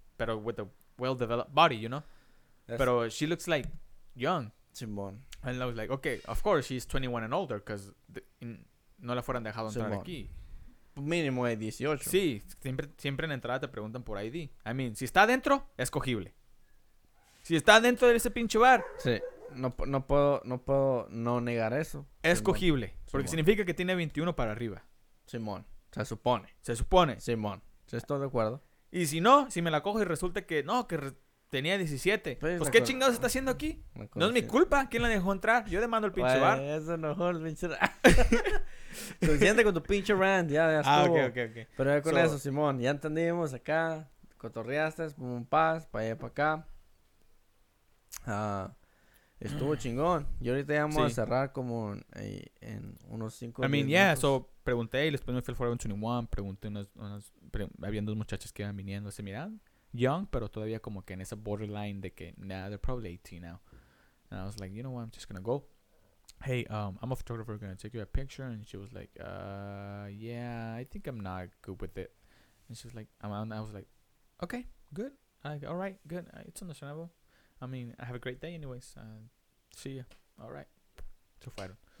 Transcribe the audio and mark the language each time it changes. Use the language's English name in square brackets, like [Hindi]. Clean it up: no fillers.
[English] Pero with a well developed body, you know? Pero she looks like young. [Spanish] Simón. [English] And I was like, okay, of course, she's 21 and older, because [Spanish] no la fueran dejado entrar Simón. Aquí. Mínimo de 18. Sí, siempre en entrada te preguntan por ID. [English] I mean, [Spanish] si está adentro, es cogible. Si está dentro de ese pinche bar. Sí, no puedo no negar eso. Es cogible, porque significa que tiene 21 para arriba. Simón, se supone. Se supone. Simón, si estoy de acuerdo. Y si no, si me la cojo y resulta que no, que... Tenía 17. Pues ¿qué chingados está haciendo aquí? No es mi culpa. ¿Quién la dejó entrar? Yo demando el pinche bar. Eso no es el pinche bar. Suficiente con tu pinche rant. Ya estuvo. Ah, ok. Pero ya con eso, Simón. Ya entendimos acá. Cotorreaste. Pum, paz. Para allá, para acá. Estuvo chingón. Y ahorita ya vamos a cerrar como en unos 5 minutos. Minutos. So, pregunté y después me fui al Forever 21. Pregunté habían dos muchachas que iban viniendo. Se miran. Young, pero todavía como que en esa borderline de que, nah, [English] they're probably 18 now. And I was like, you know what, I'm just gonna go. Hey, I'm a photographer, gonna take you a picture. And she was like, yeah, I think I'm not good with it. And she was like, I was like, okay, good. Like, all right, good. It's understandable. I mean, I have a great day anyways. See ya. All right. So fight on.